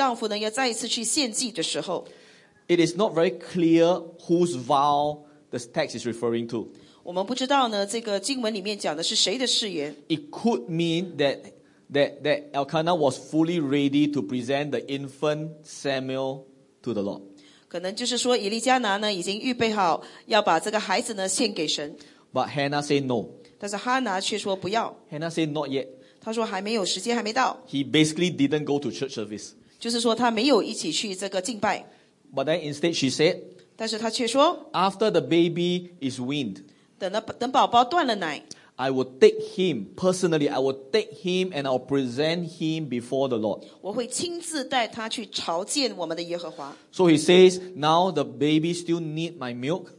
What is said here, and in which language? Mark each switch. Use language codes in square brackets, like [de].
[zh] 当她的这一次呢,她的丈夫呢,要再一次去献祭的时候, [en] it is not very clear whose vow the text is referring to. [zh] 我们不知道呢,这个经文里面讲的是谁的誓言。 [en] It could mean that Elkanah was fully ready to present the infant Samuel to the Lord. [zh] 可能就是说以利加拿呢已经预备好要把这个孩子呢献给神。 [en] But Hannah said no. [zh] 但是哈拿却说不要。 [en] Hannah said not yet. [zh] 她说还没有时间还没到。 [en] He basically didn't go to church service. [zh] 就是说他没有一起去这个敬拜。 [en] But then instead she said, [zh] 但是她却说, [en] after the baby is weaned, [zh] 等宝宝断了奶, [en] I will take him personally. I will take him and I'll present him before the Lord. [zh] 我会亲自带他去朝见我们的耶和华。 [en] So he says, now the baby still need my milk.